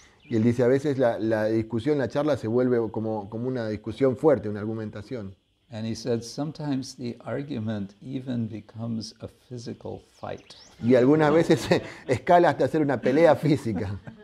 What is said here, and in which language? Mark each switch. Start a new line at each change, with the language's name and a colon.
Spanish: Y él dice, a veces la discusión, la charla se vuelve como una discusión fuerte, una argumentación.
English: And he said sometimes the argument even becomes a physical fight.
Spanish: Y algunas veces escala hasta ser una pelea física.